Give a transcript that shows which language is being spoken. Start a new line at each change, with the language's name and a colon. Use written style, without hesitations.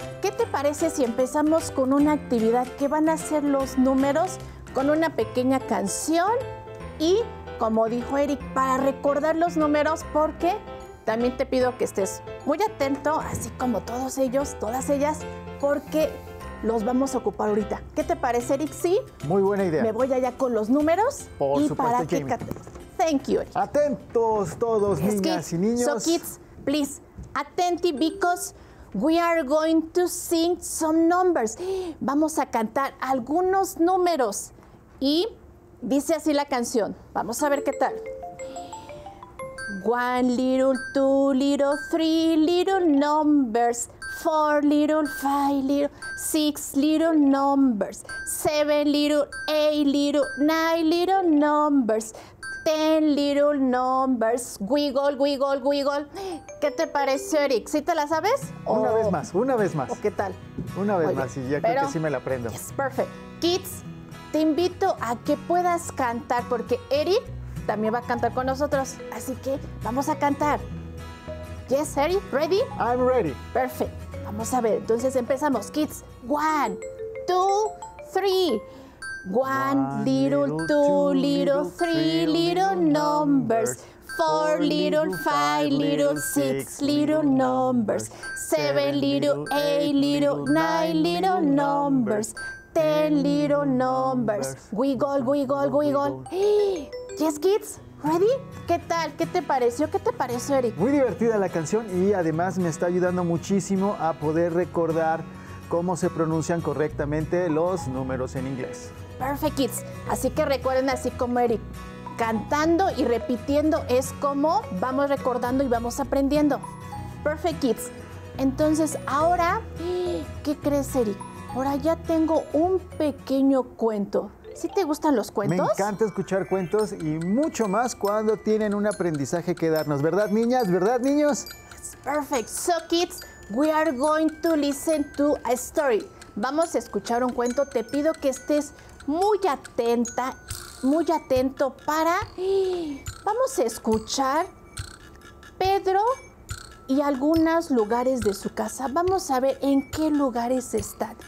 Spanish: ¿Qué te parece si empezamos con una actividad que van a ser los números con una pequeña canción y, como dijo Eric, para recordar los números, porque también te pido que estés muy atento, así como todos ellos, todas ellas, porque los vamos a ocupar ahorita. ¿Qué te parece, Eric? ¿Sí? Muy buena idea. Me voy allá con los números. Por y supuesto, para Jamie.
English: Que... Thank you, Eric.
Spanish: Atentos todos, niñas y niños.
English: So, kids, please, attenti because we are going to sing some numbers.
Spanish: Vamos a cantar algunos números. Y dice así la canción. Vamos a ver qué tal.
English: One little, two little, three little numbers. Four little, five little, six little numbers. Seven little, eight little, nine little numbers. Ten little numbers. Wiggle, wiggle, wiggle.
Spanish: ¿Qué te pareció, Eric? ¿Sí te la sabes? Una vez más, una vez más. ¿O qué tal? Una vez más y ya creo que sí me la aprendo.
English: Yes, perfect.
Spanish: Kids, te invito a que puedas cantar porque Eric también va a cantar con nosotros. Así que vamos a cantar.
English: Yes, Eric, ready? I'm ready. Perfect.
Spanish: Vamos a ver, entonces empezamos.
English: Kids, one, two, three. One little, two little, three little numbers. Four little, five little, six little numbers. Seven little, eight little, nine little numbers. Ten little numbers. Wiggle, wiggle, wiggle. Yes, kids? ¿Ready?
Spanish: ¿Qué tal? ¿Qué te pareció? ¿Qué te pareció, Eric? Muy divertida la canción y además me está ayudando muchísimo a poder recordar cómo se pronuncian correctamente los números en inglés.
English: Perfect Kids.
Spanish: Así que recuerden, así como Eric, cantando y repitiendo es como vamos recordando y vamos aprendiendo.
English: Perfect Kids.
Spanish: Entonces, ahora, ¿qué crees, Eric? Ahora ya tengo un pequeño cuento. ¿Sí te gustan los cuentos? Me encanta escuchar cuentos y mucho más cuando tienen un aprendizaje que darnos. ¿Verdad, niñas? ¿Verdad, niños?
English: It's perfect. So, kids, we are going to listen to a story.
Spanish: Vamos a escuchar un cuento. Te pido que estés muy atenta, muy atento para... Vamos a escuchar Pedro y algunos lugares de su casa. Vamos a ver en qué lugares están.